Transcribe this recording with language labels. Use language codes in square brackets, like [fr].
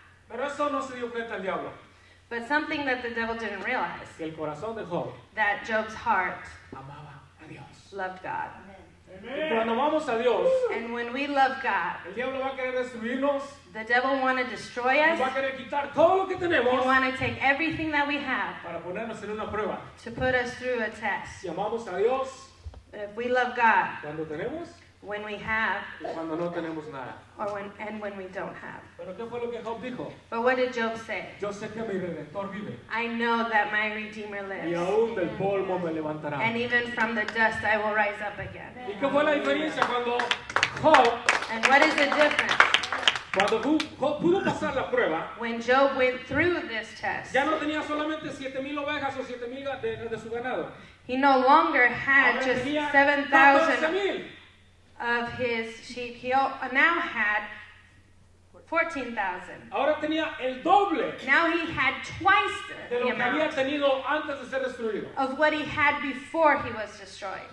[es] Pero eso no se dio cuenta el diablo. [en] But something that the devil didn't realize. [es] Que el corazón de Job. [en] That Job's heart. [es] Amaba a Dios. [en] Loved God. [es] Amen. Y cuando amamos a Dios. [en] And when we love God. [es] El diablo va a querer destruirnos. [en] The devil want to destroy us. [es] Y va a querer quitar todo lo que tenemos. [en] He want to take everything that we have. [es] Para ponernos en una prueba. [en] To put us through a test. [es] Si amamos a Dios. [en] If we love God, [es] cuando tenemos, [en] when we have, [es] cuando no tenemos nada, [en] or when, and when we don't have. [es] Pero ¿qué fue lo que Job dijo? [en] But what did Job say? [es] Yo sé que mi Redentor vive. [en] I know that my Redeemer lives. [es] Y aún del polvo me levantará. [en] And even from the dust I will rise up again. [es] ¿Y qué fue la diferencia cuando Job, [en] and what is the difference? [es] Cuando Job pudo pasar la prueba, [en] when Job went through this test, [es] ya no tenía solamente 7,000 ovejas o 7,000 de su ganado. [en] He no longer had just 7,000 of his sheep. He now had 14,000. [es] Ahora tenía el doble. [en] Now he had twice the amount [es] que había tenido antes de ser destruido. [en] Of what he had before he was destroyed.